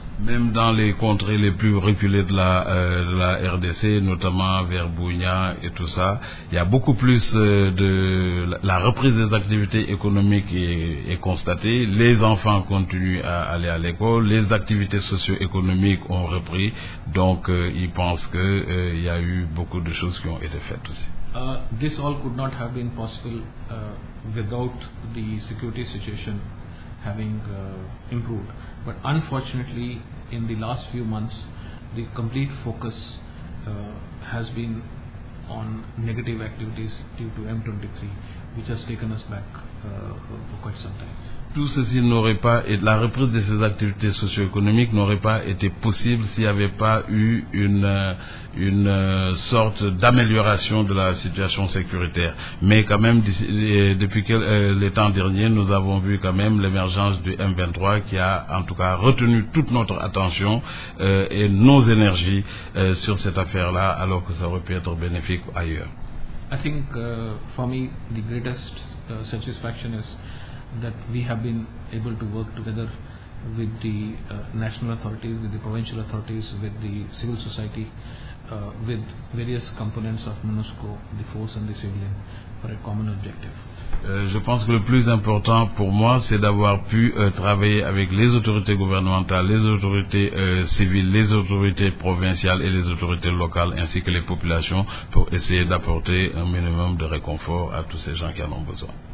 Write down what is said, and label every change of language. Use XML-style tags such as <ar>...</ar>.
<fr>Même dans les contrées les plus reculées de la RDC, notamment vers Bunia et tout ça, il y a beaucoup plus de... La reprise des activités économiques est constatée. Les enfants continuent à aller à l'école. Les activités socio-économiques ont repris. Donc, ils pensent que il y a eu beaucoup de choses qui ont été faites aussi.</fr> <en>This all could not have been possible without the security situation having improved. But unfortunately, in the last few months, the complete focus has been on negative activities due to M23, which has taken us back for quite some time.</en> <fr>Tout ceci n'aurait pas, et la reprise de ces activités socio-économiques n'aurait pas été possible s'il n'y avait pas eu une sorte d'amélioration de la situation sécuritaire. Mais quand même, depuis les temps derniers, nous avons vu quand même l'émergence du M23 qui a en tout cas retenu toute notre attention et nos énergies sur cette affaire-là, alors que ça aurait pu être bénéfique ailleurs.</fr> <en>I think for me, the greatest satisfaction is that we have been able to work together with the national authorities, with the provincial authorities, with the civil society, with various components of MONUSCO, the force and the civilian, for a common objective.</en> <fr>Je pense que le plus important pour moi, c'est d'avoir pu travailler avec les autorités gouvernementales, les autorités civiles, les autorités provinciales et les autorités locales, ainsi que les populations, pour essayer d'apporter un minimum de réconfort à tous ces gens qui en ont besoin.</fr>